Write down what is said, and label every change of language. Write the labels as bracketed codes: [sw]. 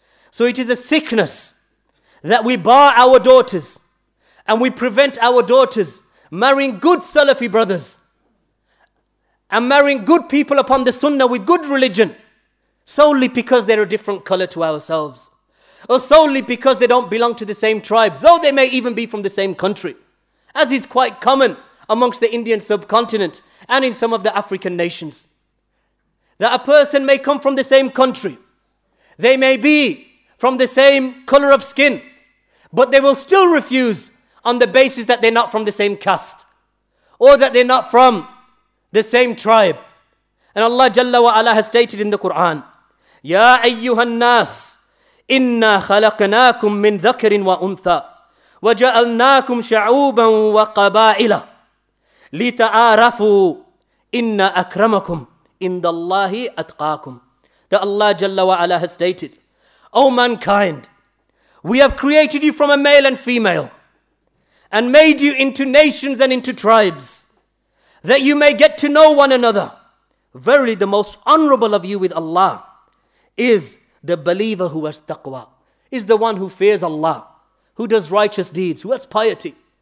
[en] So it is a sickness that we bar our daughters and we prevent our daughters marrying good Salafi brothers and marrying good people upon the sunnah with good religion solely because they're a different color to ourselves, or solely because they don't belong to the same tribe, though they may even be from the same country, as is quite common amongst the Indian subcontinent and in some of the African nations. That a person may come from the same country, they may be from the same color of skin, but they will still refuse on the basis that they're not from the same caste, or that they're not from the same tribe. And Allah Jalla wa Ala has stated in the Quran, [ar] Ya ayyuhan nas, إِنَّا خَلَقْنَاكُمْ مِنْ ذَكَرٍ وَأُنْثَىٰ وَجَعَلْنَاكُمْ شَعُوبًا وَقَبَائِلَ لِتَعَارَفُوا إِنَّا أَكْرَمَكُمْ إِنَّ اللَّهِ أَتْقَاكُمْ. [en] That Allah Jalla wa Ala has stated, O mankind, we have created you from a male and female and made you into nations and into tribes that you may get to know one another. Verily the most honorable of you with Allah is the believer who has taqwa, is the one who fears Allah, who does righteous deeds, who has piety.